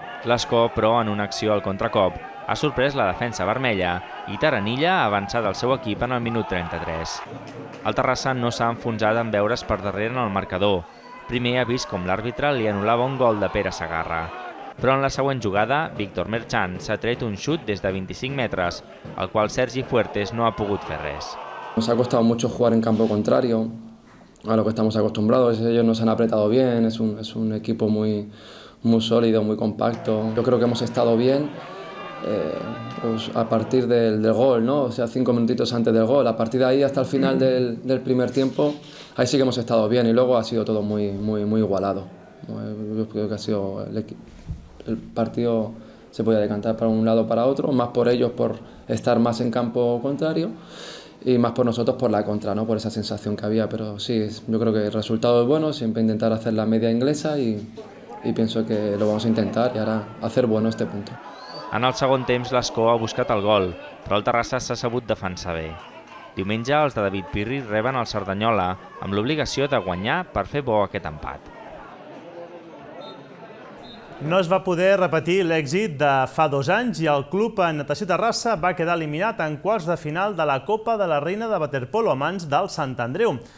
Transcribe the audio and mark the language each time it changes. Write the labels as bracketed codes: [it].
[ca] L'Ascó, però, en una acció al contracop, ha sorprès la defensa vermella i Taranilla ha avançat el seu equip en el minut 33. El Terrassa no s'ha enfonsat en veure's per darrere en el marcador. Primer ha vist com l'àrbitre li anul·lava un gol de Pere Sagarra. Però en la següent jugada, Víctor Merchan s'ha tret un xut des de 25 metres, el qual Sergi Fuertes no ha pogut fer res. [es] Nos ha costado mucho jugar en campo contrario a lo que estamos acostumbrados. Ellos nos han apretado bien, es un equipo muy, muy sólido, muy compacto. Yo creo que hemos estado bien pues a partir del gol, ¿no? O sea, 5 minutitos antes del gol. A partir de ahí hasta el final del primer tiempo, ahí sí que hemos estado bien y luego ha sido todo muy, muy, muy igualado. Yo creo que ha sido el partido se podía decantar para un lado o para otro, más por ellos por estar más en campo contrario y más por nosotros por la contra, ¿no? Por esa sensación que había. Pero sí, yo creo que el resultado es bueno, siempre intentar hacer la media inglesa y pienso que lo vamos a intentar y ahora hacer bueno este punto. [ca] En el segon temps, l'Ascó ha buscat el gol, però el Terrassa s'ha sabut defensar bé. Diumenge, els de David Pirri reben el Cerdanyola amb l'obligació de guanyar per fer bo aquest empat. No es va poder repetir l'èxit de fa 2 anys i el club en natació Terrassa va quedar eliminat en quarts de final de la Copa de la Reina de Waterpolo a mans del Sant Andreu.